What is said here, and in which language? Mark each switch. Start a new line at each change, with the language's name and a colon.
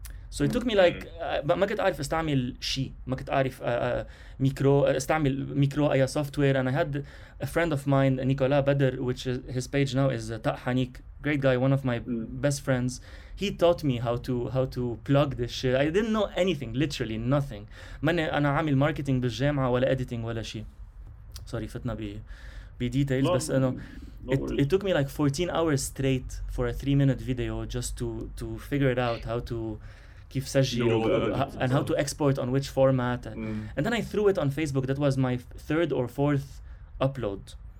English: So it took me like
Arabic: ما كنت عارف استعمل شيء, ما كنت عارف استعمل ميكرو اي
English: software, and I had a friend of mine, Nicola Bader, which is, his page now is Ta Hanik, great guy, one of my best friends. He taught me how to plug this shit. I didn't know anything, literally nothing.
Arabic: ماني انا عامل marketing بالجامعة ولا editing ولا شيء.
English: Sorry,
Arabic: فتنا بي
English: details, but no, it took me like 14 hours straight for a 3-minute video just to figure it out how to
Arabic: كيف سجل,
English: you know, and how to export on which format. And then I threw it on Facebook. That was my third or fourth upload.